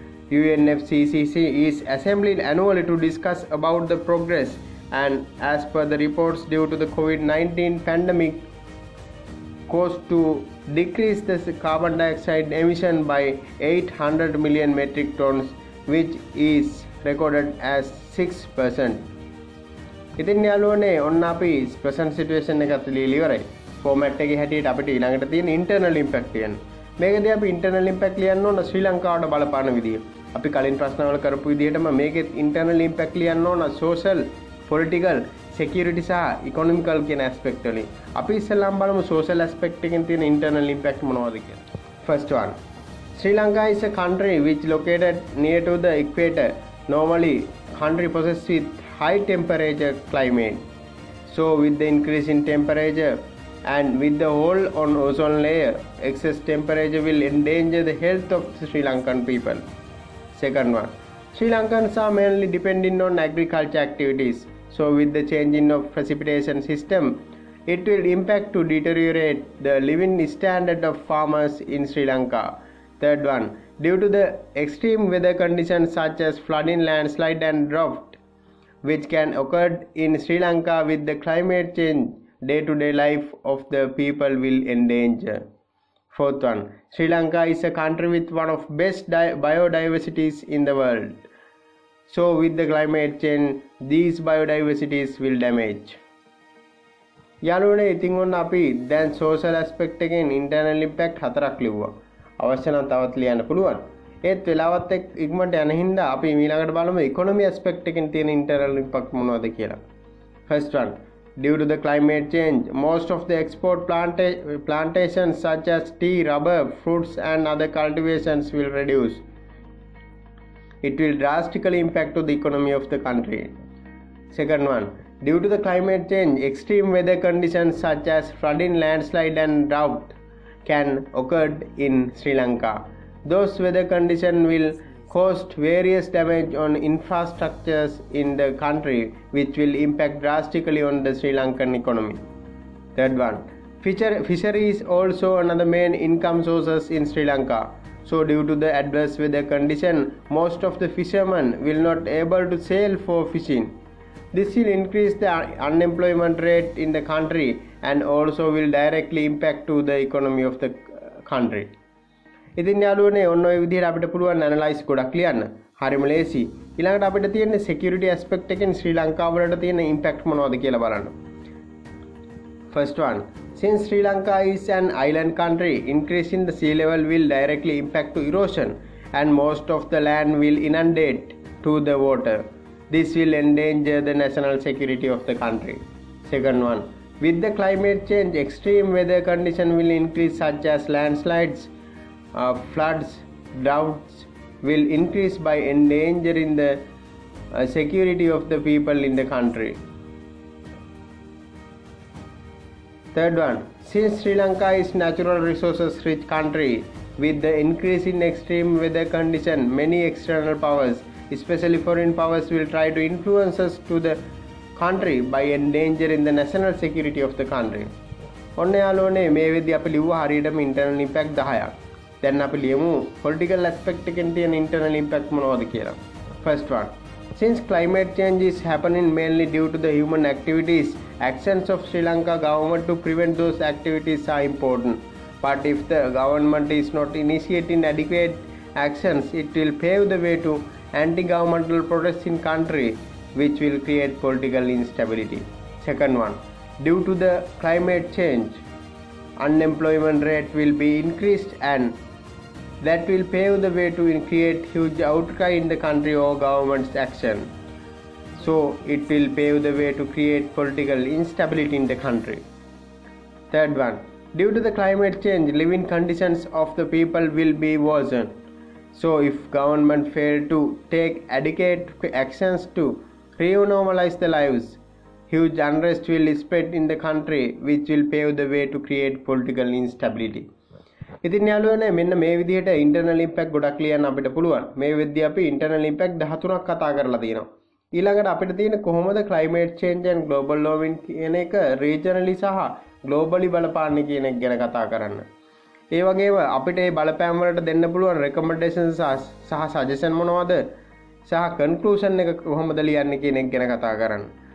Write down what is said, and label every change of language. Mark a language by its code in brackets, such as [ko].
[en] UNFCCC is assembling annually to discuss about the progress, and as per the reports, due to the COVID-19 pandemic caused to decrease the carbon dioxide emission by 800 million metric tons, which is recorded as 6%. [si] ඉතින් යාළුවනේ ඔන්න අපි present situation එකත් ලියලා ඉවරයි. Format එකේ හැටියට අපිට ඊළඟට තියෙන ඉන්ටර්නල් ඉම්පැක්ට් කියන්න. මේකදී අපි ඉන්ටර්නල් ඉම්පැක්ට් ලියන්න ඕන ශ්‍රී ලංකාවට බලපාන විදිය. අපි කලින් ප්‍රශ්නවල කරපු විදිහටම මේකෙත් ඉන්ටර්නල් ඉම්පැක්ට් ලියන්න ඕන සෝෂල්, පොලිටිකල්, සෙකියුරිටි සහ ඉකොනොමිකල් කියන ඇස්පෙක්ට් වලින්. අපි ඉස්සෙල්ලාම බලමු සෝෂල් ඇස්පෙක්ට් එකෙන් තියෙන ඉන්ටර්නල් ඉම්පැක්ට් මොනවද කියලා. [en] First one. Sri Lanka is a country which located near to the equator. Normally, country possesses with high temperature climate. So with the increase in temperature and with the hole on ozone layer, excess temperature will endanger the health of the Sri Lankan people. Second one, Sri Lankans are mainly depending on agriculture activities. So with the changing of precipitation system, it will impact to deteriorate the living standard of farmers in Sri Lanka. Third one, due to the extreme weather conditions such as flooding, landslide and drought, which can occur in Sri Lanka with the climate change, day-to-day life of the people will endanger. Fourth one, Sri Lanka is a country with one of best biodiversities in the world. So with the climate change, these biodiversities will damage. [si] යනුවෙන ඉතින් ඔන්න අපි දැන් [en] social aspect [si] එකෙන් [en] internal impact [si] හතරක් ලිව්වා. අවශ්‍ය නම් තවත් ලියන්න පුළුවන්. ඒත් වෙලාවත් එක්ක ඉක්මනට යන හින්දා අපි ඊළඟට බලමු [en] economy aspect [si] එකෙන් තියෙන [en] internal impact [si] මොනවද කියලා. [en] First one, due to the climate change, most of the export plantations such as tea, rubber, fruits and other cultivations will reduce. It will drastically impact to the economy of the country. Second one, due to the climate change, extreme weather conditions such as flooding, landslide and drought can occur in Sri Lanka. Those weather conditions will cause various damage on infrastructures in the country, which will impact drastically on the Sri Lankan economy. Third one, fisheries also another main income sources in Sri Lanka. So due to the adverse weather condition, most of the fishermen will not able to sail for fishing. This will increase the unemployment rate in the country and also will directly impact to the economy of the country. [si] ඉතින් යාළුවනේ ඔන්න ඔය විදිහට අපිට පුළුවන් analyse ගොඩක් ලියන්න. හරිම ලේසි. ඊළඟට අපිට තියෙන [en] security aspect [si] එකෙන් ශ්‍රී ලංකාව වලට තියෙන impact මොනවද කියලා බලන්න. [en] First one, since Sri Lanka is an island country, increasing the sea level will directly impact to erosion and most of the land will inundate to the water. This will endanger the national security of the country. Second one, with the climate change, extreme weather condition will increase such as landslides, floods, droughts will increase by endangering the security of the people in the country. Third one, since Sri Lanka is natural resources rich country, with the increase in extreme weather condition, many external powers, especially foreign powers, will try to influence us to the country by endangering the national security of the country. [si] ඔන්න යාළුවනේ මේ වෙද්දි අපි ලිව්වා හරියටම [en] internal impact [si] 10ක්. දැන් අපි ලියමු [en] political aspect [si] එකෙන් තියෙන [en] internal impact [si] මොනවද කියලා. [en] First one, since climate change is happening mainly due to the human activities, actions of Sri Lanka government to prevent those activities are important. But if the government is not initiating adequate actions, it will pave the way to anti-governmental protests in country, which will create political instability. Second one, due to the climate change, unemployment rate will be increased and that will pave the way to create huge outcry in the country over government's action. So it will pave the way to create political instability in the country. Third one, due to the climate change, living conditions of the people will be worsened. So if government failed to take adequate actions to re-normalize the lives, huge unrest will spread in the country, which will pave the way to create political instability. [si] ඉතින් යාළුවනේ මෙන්න මේ විදිහට [en] internal impact [si] ගොඩක් ලියන්න අපිට පුළුවන්. මේ වෙද්දී අපි [en] internal impact [si] 13ක් කතා කරලා තියෙනවා. ඊළඟට අපිට තියෙන කොහොමද [en] climate change and global warming [si] කියන එක [en] regionally [si] සහ [en] globally [si] බලපාන්නේ කියන එක ගැන කතා කරන්න. ඒ වගේම අපිට මේ බලපෑම් වලට දෙන්න පුළුවන් [en] recommendations [si] සහ suggestion මොනවද සහ conclusion එක කොහොමද ලියන්නේ කියන එක ගැන කතා කරන්න.